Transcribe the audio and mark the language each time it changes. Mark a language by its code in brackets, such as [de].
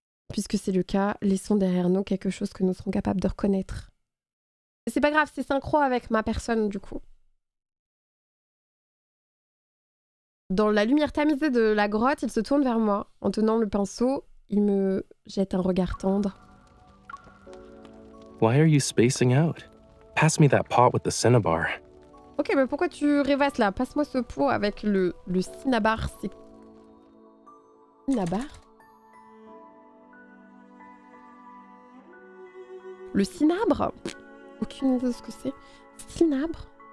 [fr] Puisque c'est le cas, laissons derrière nous quelque chose que nous serons capables de reconnaître. C'est pas grave, c'est synchro avec ma personne, du coup. Dans la lumière tamisée de la grotte, il se tourne vers moi. En tenant le pinceau, il me jette un regard tendre. [en] Why are you spacing out? Pass me that pot with the cinnabar. [fr] Ok, mais pourquoi tu rêvasses là? Passe-moi ce pot avec le cinnabar. Cinnabar? Le cinabre? Aucune idée de ce que c'est. Cinabre?